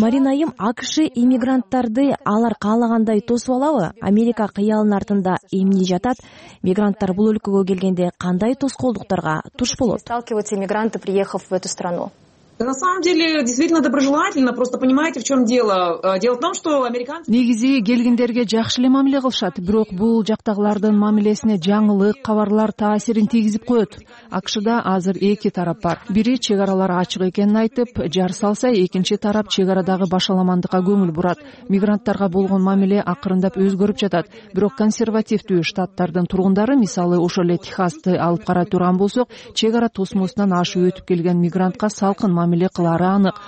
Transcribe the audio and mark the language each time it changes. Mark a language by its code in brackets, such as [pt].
[ky] Марина айым, АКШ иммигранттарды алар каалагандай тосуп алабы? Америка кыялынын артында эмне жатат? Мигранттар бул өлкөгө келгенде кандай тоскоолдуктарга туш болот? [ru] Сталкиваются иммигранты, приехав в эту страну? На самом деле, действительно доброжелательно, просто понимаете, в чем дело? Дело в том, что американцы... [ky] Негизи келгендерге жакшы эле мамиле кылышат, бирок бул жактагылардын мамилесине жаңылык, кабарлар таасирин тийгизип коет. АКШда азыр эки тарап бар. Бири чек аралар ачык экенин айтып, жар салса, экинчи тарап чек арадагы башаламандыкка көңүл бурат. Мигранттарга болгон мамиле акырындап өзгөрүп жатат. Бирок консервативдүү штаттардын тургундары, мисалы, ошол эле Техасты алып кара турган болсок, чек ара тосмосунан ашып өтүп келген мигрантка салкын мамиле кылары анык.